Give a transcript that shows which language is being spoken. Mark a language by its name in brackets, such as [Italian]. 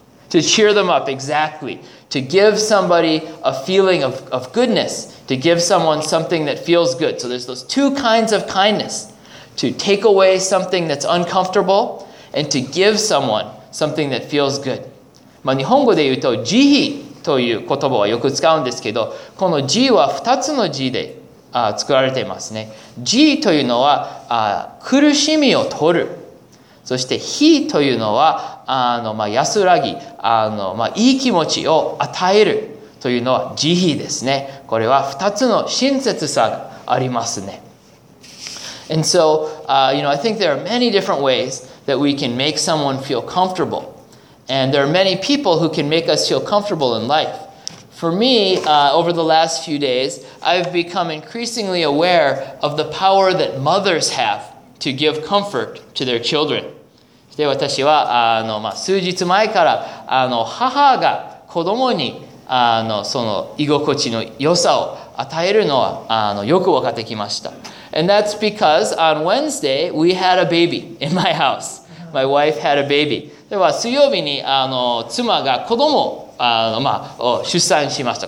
[English] To cheer them up, exactly. To give somebody a feeling of goodness. To give someone something that feels good. So there's those 2 kinds of kindness. To take away something that's uncomfortable and to give someone something that feels good. [Japanese] まあ、日本語で言うと慈悲という言葉はよく使うんですけど、この慈は2つの字で作られていますね。慈というのは苦しみを取る。そして悲というのは安らぎ、いい気持ちを与えるというのは慈悲ですね。これは2つの親切さがありますね。 [English] And so, you know, I think there are many different ways that we can make someone feel comfortable. And there are many people who can make us feel comfortable in life. For me, over the last few days, I've become increasingly aware of the power that mothers have to give comfort to their children. [Japanese] で、私は、数日前から、母が子供に、その居心地の良さを与えるのは、よく分かってきました。 [English] And that's because on Wednesday, we had a baby in my house. My wife had a baby. [Japanese] では、水曜日に、妻が子供を、出産しました。